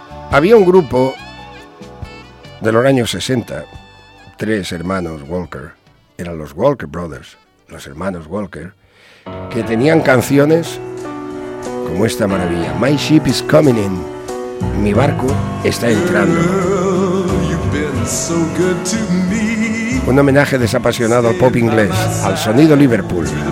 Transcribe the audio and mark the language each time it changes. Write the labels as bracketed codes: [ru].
[es] Había un grupo de los años 60, tres hermanos Walker, eran los Walker Brothers, los hermanos Walker, que tenían canciones como esta maravilla, My Ship is Coming In. Mi barco está entrando. [en] Girl, you've been so good to me. [es] un homenaje desapasionado al pop inglés, al sonido Liverpool.